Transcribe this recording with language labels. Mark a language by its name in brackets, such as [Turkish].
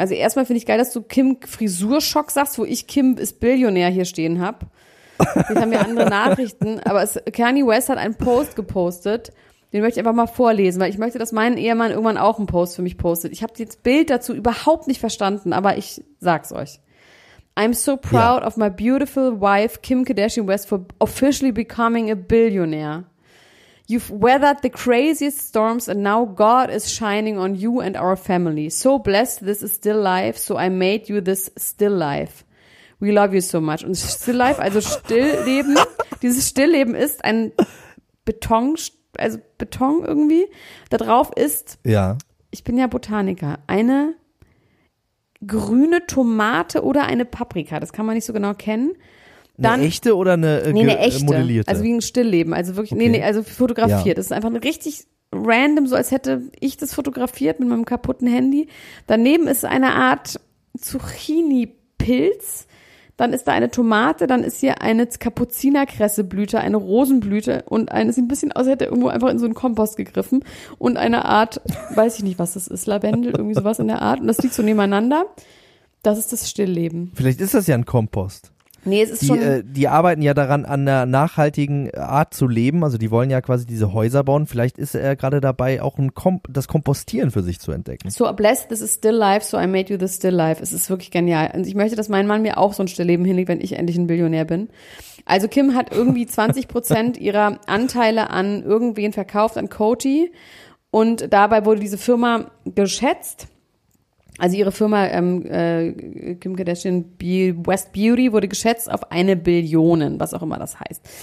[German] Also erstmal finde ich geil, dass du Kim Frisurschock sagst, wo ich Kim ist Billionär hier stehen habe. Jetzt haben wir andere Nachrichten, aber Kanye West hat einen Post gepostet. Den möchte ich einfach mal vorlesen, weil ich möchte, dass mein Ehemann irgendwann auch einen Post für mich postet. Ich habe das Bild dazu überhaupt nicht verstanden, aber ich sag's euch. [English] I'm so proud of my beautiful wife Kim Kardashian West for officially becoming a billionaire. You've weathered the craziest storms and now God is shining on you and our family. So blessed this is still life, so I made you this still life. We love you so much. [German] Und still life, also Stillleben, dieses Stillleben ist ein Beton irgendwie, da drauf ist, ich bin ja Botaniker, eine grüne Tomate oder eine Paprika, das kann man nicht so genau kennen. Dann, eine echte oder eine modellierte? Also wie ein Stillleben, also wirklich, okay. Nee, also fotografiert. Ja. Das ist einfach eine richtig random, so als hätte ich das fotografiert mit meinem kaputten Handy. Daneben ist eine Art Zucchini-Pilz. Dann ist da eine Tomate, dann ist hier eine Kapuzinerkresseblüte, eine Rosenblüte und eine, sieht ein bisschen aus, als hätte er irgendwo einfach in so einen Kompost gegriffen und eine Art, weiß ich nicht, was das ist, Lavendel, irgendwie sowas in der Art und das liegt so nebeneinander. Das ist das Stillleben. Vielleicht ist das ja ein Kompost. Nee, es ist die, schon. Die arbeiten ja daran, an einer nachhaltigen Art zu leben, also die wollen ja quasi diese Häuser bauen. Vielleicht ist er gerade dabei, auch ein das Kompostieren für sich zu entdecken. [English] So, blessed, this is still life, so I made you the still life. [German] Es ist wirklich genial. Und ich möchte, dass mein Mann mir auch so ein Stillleben hinlegt, wenn ich endlich ein Billionär bin. Also Kim hat irgendwie 20% ihrer Anteile an irgendwen verkauft, an Coty. Und dabei wurde diese Firma geschätzt. Also ihre Firma Kim Kardashian West Beauty wurde geschätzt auf 1 Billion, was auch immer das heißt.